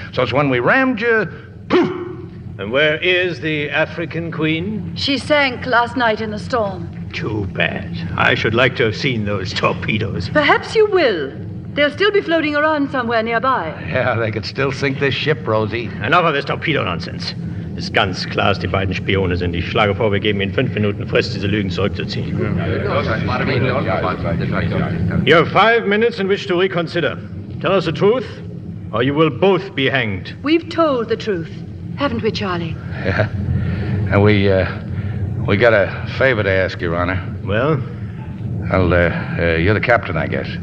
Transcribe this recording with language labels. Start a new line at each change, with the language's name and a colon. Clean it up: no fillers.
English: So it's when we rammed you, poof! And where is the African Queen? She sank last night in the storm. Too bad. I should like to have seen those torpedoes. Perhaps you will. They'll still be floating around somewhere nearby. Yeah, they could still sink this ship, Rosie. Enough of this torpedo nonsense.
German: Das ganz klar ist, die beiden Spione sind. Ich schlage vor, wir geben ihnen 5 Minuten Frist, diese Lügen zurückzuziehen.
English: You have 5 minutes in which to reconsider. Tell us the truth, or you will both be hanged. We've told the truth, haven't we, Charlie? Yeah. And we got a favor to ask, Your Honor. Well? Well, you're the captain, I guess.